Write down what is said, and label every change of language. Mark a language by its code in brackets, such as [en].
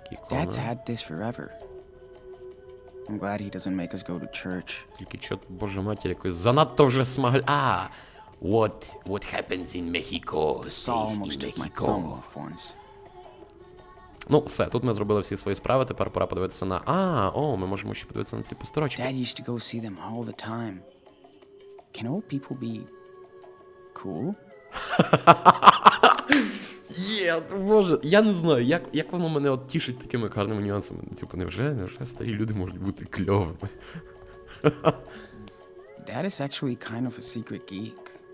[en] Dad's had this forever. I'm glad he doesn't make us go to church. [uk] Тільки чо, боже матір, якось занадто вже смагля... А! [en] What happens in Mexico stays in Mexico. [uk] Ну, все, тут ми зробили всі свої справи, тепер пора подивитися на... А, о, ми можемо ще подивитися на ці посторочки. [en] Dad used to go see them all the time. Can old people be... cool? [uk] Є, боже, я не знаю, як воно мене от тішить такими гарними нюансами. Типу, невже старі люди можуть бути кльовими? [en] Dad is actually kind of a secret geek.